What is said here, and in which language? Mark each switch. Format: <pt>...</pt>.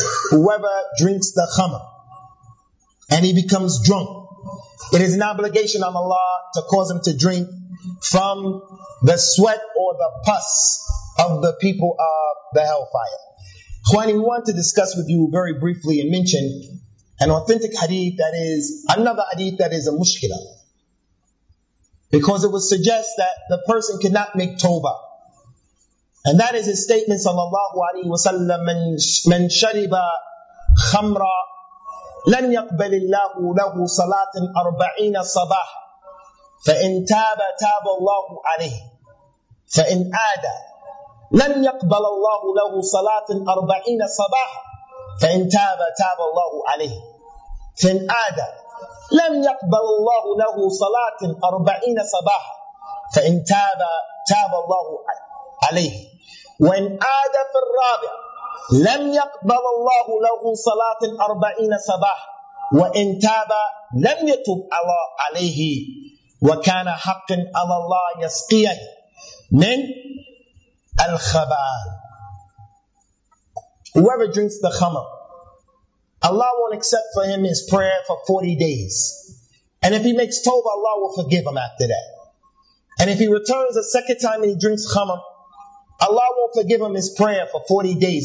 <en>Whoever drinks the khamr and he becomes drunk, it is an obligation on Allah to cause him to drink from the sweat or the pus of the people of the hellfire. Khwani, we want to discuss with you very briefly and mention an authentic hadith that is another hadith that is a mushkila, because it would suggest that the person cannot make tawbah. And that is his statement,</en> <ar>sallallahu alayhi wa sallam, من شرب خمرا لن يقبل الله له صلاة أربعين صباحا فإن تاب تاب الله عليه فإن عاد لن يقبل الله له صلاة أربعين صباحا فإن تاب تاب الله عليه فإن عاد لن يقبل الله له صلاة أربعين صباحا فإن تاب تاب الله عليه وَإِنْ عَادَ فِي الرَّابِعِ لَمْ يَقْبَلَ اللَّهُ لَهُ صَلَاةٍ أَرْبَعِينَ صَبَاحًا وَإِنْ تَابَ لَمْ يَتُبْ عَلَيْهِ وَكَانَ حَقٍ عَلَى اللَّهِ يَسْقِيَهِ مِنْ الْخَبَالِ.</ar> <en>Whoever drinks the khamr, Allah won't accept for him his prayer for 40 days. And if he makes tawbah, Allah will forgive him after that. And if he returns a second time and he drinks khamr, Allah won't forgive him his prayer for 40 days.</en>